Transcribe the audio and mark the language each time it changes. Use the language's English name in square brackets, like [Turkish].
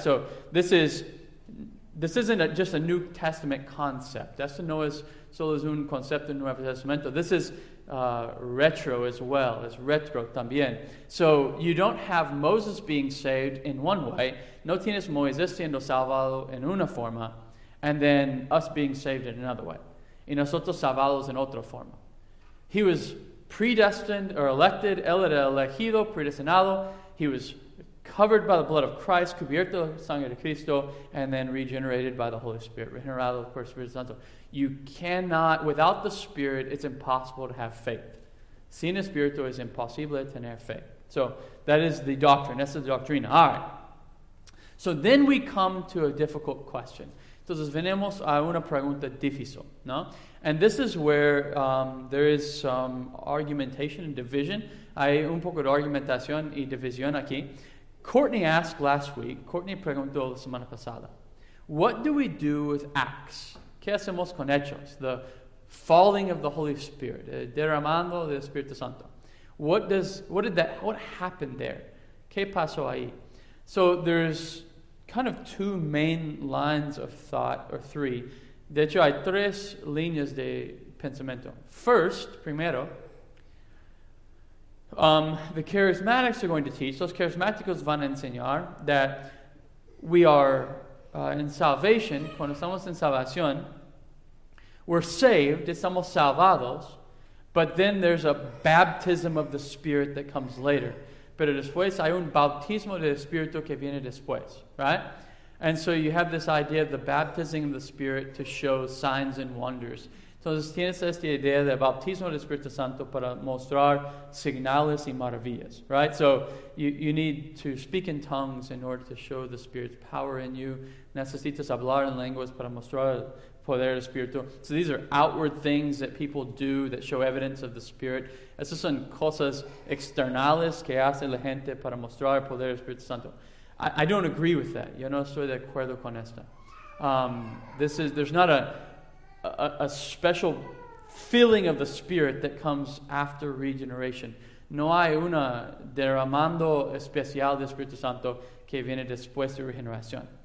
[English] So this isn't just a New Testament concept. [Spanish] Esto no es solo es un concepto en Nuevo Testamento. [English] This is retro as well. [Spanish] Es retro también. [English] So you don't have Moses being saved in one way. [Spanish] No tienes Moisés siendo salvado en una forma, [English] and then us being saved in another way. [Spanish] Y nosotros salvados en otra forma. [English] He was predestined or elected. [Spanish] Él era elegido, predestinado. He was covered by the blood of Christ, cubierto de sangre de Cristo, and then regenerated by the Holy Spirit, regenerado por el Espíritu Santo. [English] You cannot, without the Spirit, it's impossible to have faith. [Spanish] Sin Espíritu es imposible tener fe. [English] So that is the doctrine. [Spanish] Esa es la doctrina. [English] All right. So then we come to a difficult question. [Spanish] Entonces venimos a una pregunta difícil, ¿no? [English] And this is where there is some argumentation and division. [Spanish] Hay un poco de argumentación y división aquí. [English] Courtney asked last week, [Spanish] Courtney preguntó la semana pasada, [English] what do we do with Acts? [Spanish] ¿Qué hacemos con Hechos? [English] The falling of the Holy Spirit, [Spanish] derramando del Espíritu Santo. [English] What happened there? [Spanish] ¿Qué pasó ahí? [English] So there's kind of two main lines of thought, or three. [Spanish] De hecho, hay tres líneas de pensamiento. [English] First, [Spanish] primero, [English] the charismatics are going to teach, [Spanish] los charismáticos van a enseñar [English] that we are in salvation, [Spanish] cuando estamos en salvación, [English] we're saved, [Spanish] estamos salvados, [English] but then there's a baptism of the Spirit that comes later. [Spanish] Pero después hay un bautismo del Espíritu que viene después, right? [English] And so you have this idea of the baptism of the Spirit to show signs and wonders. [Spanish] Entonces tienes esta idea del bautismo del Espíritu Santo para mostrar señales y maravillas, right? [English] So you need to speak in tongues in order to show the Spirit's power in you. [Spanish] Necesitas hablar en lenguas para mostrar el poder del Espíritu. [English] So these are outward things that people do that show evidence of the Spirit. [Spanish] Esas son cosas externales que hace la gente para mostrar el poder del Espíritu Santo. [English] I don't agree with that. [Spanish] Yo no estoy de acuerdo con esta. [English] There's not a special feeling of the Spirit that comes after regeneration. [Spanish] No hay una derramando especial del Espíritu Santo que viene después de regeneración.